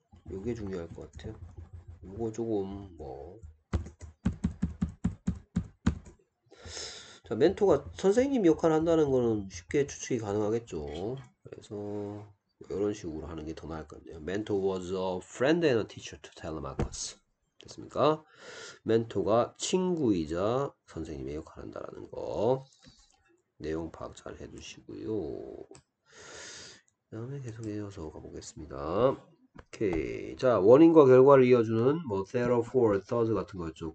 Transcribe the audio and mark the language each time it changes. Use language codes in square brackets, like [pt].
[ko] 이게 중요할 것 같아요. 이거 조금 뭐. 자, 멘토가 선생님 역할을 한다는 거는 쉽게 추측이 가능하겠죠. 그래서 이런 식으로 하는 게더 나을 것 같네요. [en] Mentor was a friend and a teacher to Telemachus. [ko] 됐습니까? 멘토가 친구이자 선생님의 역할을 한다는 거. 내용 파악 잘 해주시고요. 그다음에 계속 이어서 가보겠습니다. 오케이. 자, 원인과 결과를 이어주는 뭐 therefore, thus 같은 거였죠.